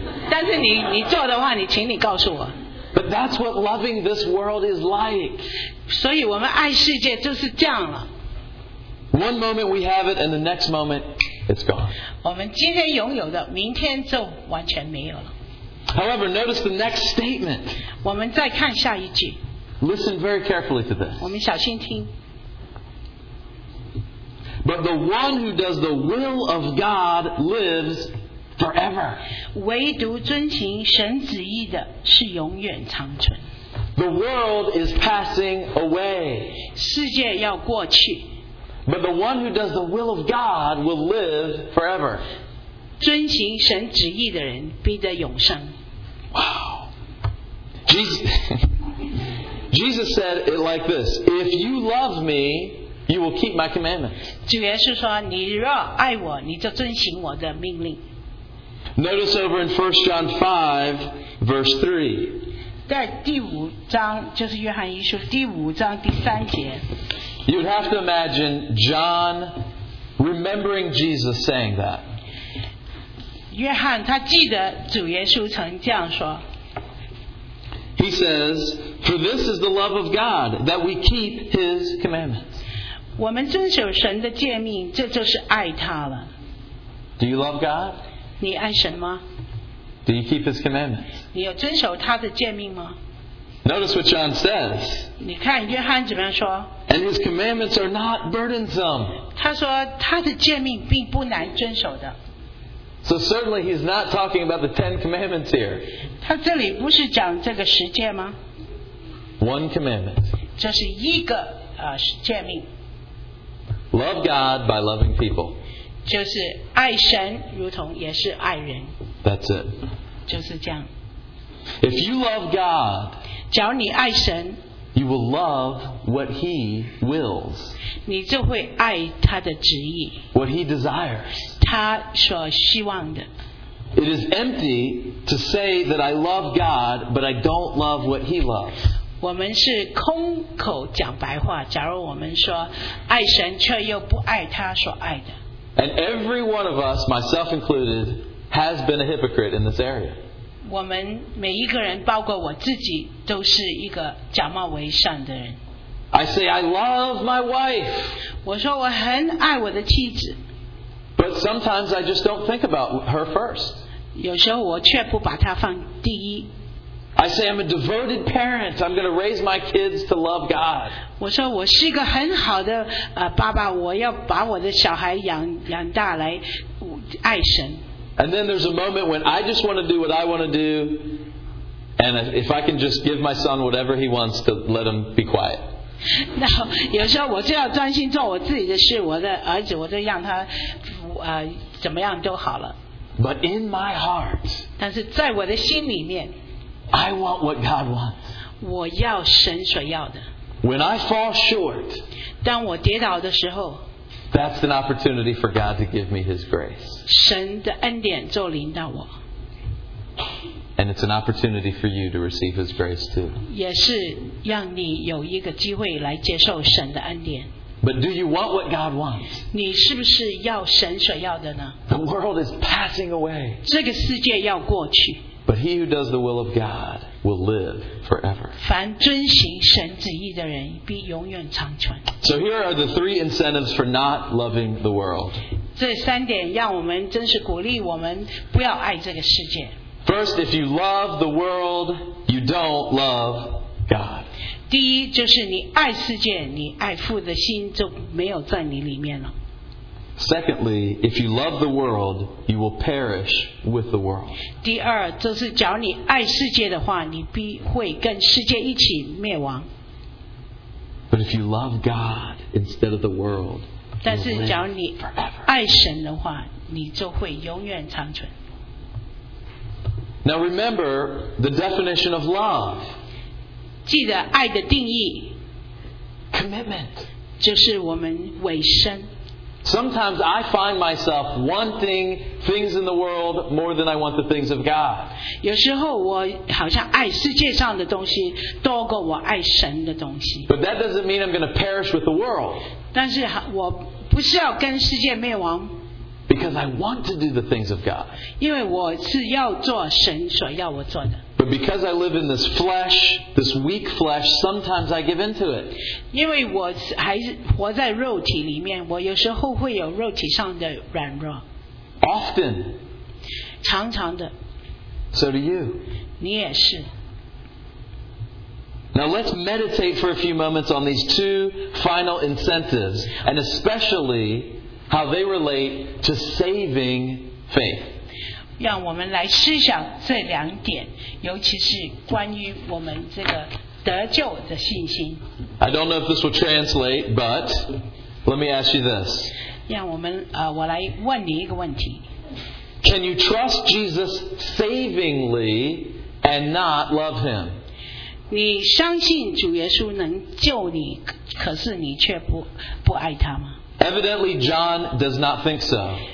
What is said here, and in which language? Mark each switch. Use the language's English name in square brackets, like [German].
[Chinese] 但是你做的话，你请你告诉我。 [English] But that's what loving this world is like. [Chinese] 所以我们爱世界就是这样了。 [English] One moment we have it, and the next moment it's gone. [Chinese] 我们今天拥有的，明天就完全没有了。 [English] However, notice the next statement. [Chinese] 我们再看下一句。 [English] Listen very carefully to this. [Chinese] 我们小心听。 [English] But the one who does the will of God lives forever. [Chinese] 唯独遵行神旨意的是永远长存。 [English] The world is passing away. [Chinese] 世界要过去。 [English] But the one who does the will of God will live forever. [Chinese] 遵行神旨意的人必得永生。 [English] Wow. Jesus said it like this, If you love me, you will keep my commandments. [Chinese] 主耶稣说，你若爱我，你就遵行我的命令。 [English] Notice over in 1 John 5, verse 3. [Chinese] 在第五章，就是约翰一书第五章第三节。 [English] You'd have to imagine John remembering Jesus saying that. [Chinese] 约翰他记得主耶稣曾这样说。 [English] He says, For this is the love of God, that we keep his commandments. [Chinese] 我们遵守神的诫命，这就是爱他了。 [English] Do you love God? [Chinese] 你爱神吗？ [English] Do you keep his commandments? [Chinese] 你有遵守他的诫命吗？ [English] Notice what John says. [Chinese] 你看约翰怎么样说。 [English] And his commandments are not burdensome. [Chinese] 他说他的诫命并不难遵守的。 [English] So certainly he's not talking about the Ten Commandments here. [Chinese] 他这里不是讲这个十诫吗？ [English] One commandment. [Chinese] 这是一个诫命。 [English] Love God by loving people. [Chinese] 就是爱神如同也是爱人。 [English] That's it. [Chinese] 就是这样。 [English] If you love God, [Chinese] 假如你爱神, [English] you will love what he wills. [Chinese] 你就会爱他的旨意, [English] what he desires. [Chinese] 他所希望的。 [English] It is empty to say that I love God, but I don't love what he loves. [Chinese] 我们是空口讲白话, 假如我们说爱神却又不爱他所爱的。 [English] And every one of us, myself included, has been a hypocrite in this area. [Chinese] 我们每一个人包括我自己都是一个假冒为善的人。 [English] I say I love my wife. [Chinese] 我说我很爱我的妻子。 [English] But sometimes I just don't think about her first. [Chinese] 有时候我却不把她放第一。 [English] I say I'm a devoted parent. I'm going to raise my kids to love God. [Chinese] 我说我是一个很好的爸爸，我要把我的小孩养大来爱神。 [English] And then there's a moment when I just want to do what I want to do, and if I can just give my son whatever he wants to let him be quiet. [Chinese] 那有时候我就要专心做我自己的事，我的儿子我就让他怎么样都好了。 [English] But in my heart, [Chinese] 但是在我的心里面， [English] I want what God wants. [Chinese] 我要神所要的。 [English] When I fall short, [Chinese] 当我跌倒的时候。 [English] That's an opportunity for God to give me His grace. [Chinese] 神的恩典就临到我。 [English] And it's an opportunity for you to receive His grace too. [Chinese] 也是让你有一个机会来接受神的恩典。 [English] But do you want what God wants? [Chinese] 你是不是要神所要的呢？ [English] The world is passing away. [Chinese] 这个世界要过去。 [English] But he who does the will of God will live forever. [Chinese] 凡遵行神旨意的人必永远长存。 [English] So here are the three incentives for not loving the world. [Chinese] 这三点让我们真是鼓励我们不要爱这个世界。 [English] First, if you love the world, you don't love God. [Chinese] 第一就是你爱世界，你爱父的心就没有在你里面了。 [English] Secondly, if you love the world, you will perish with the world. [Chinese] 第二就是假如你爱世界的话，你必会跟世界一起灭亡。 [English] But if you love God instead of the world, you will live forever. [Chinese] 但是假如你爱神的话，你就会永远长存。 [English] Now remember the definition of love. [Chinese] 记得爱的定义。 [English] Commitment. [Chinese] 就是我们委身。 [English] Sometimes I find myself wanting things in the world more than I want the things of God. [Chinese] 有时候我好像爱世界上的东西多过我爱神的东西。 [English] But that doesn't mean I'm going to perish with the world. [Chinese] 但是我不是要跟世界灭亡。 [English] Because I want to do the things of God. [Chinese] 因为我是要做神所要我做的。 [English] But because I live in this flesh, this weak flesh, sometimes I give into it. [Chinese] 因为我还活在肉体里面，我有时候会有肉体上的软弱。 [English] Often. [Chinese] 常常的。 [English] So do you. [Chinese] 你也是。 [English] Now let's meditate for a few moments on these two final incentives, and especially how they relate to saving faith. [Chinese] 让我们来思想这两点，尤其是关于我们这个得救的信心。 [English] I don't know if this will translate, but let me ask you this. [Chinese] 让我们我来问你一个问题。 [English] Can you trust Jesus savingly and not love him? [Chinese] 你相信主耶稣能救你，可是你却不爱他吗？ [English] Evidently, John does not think so.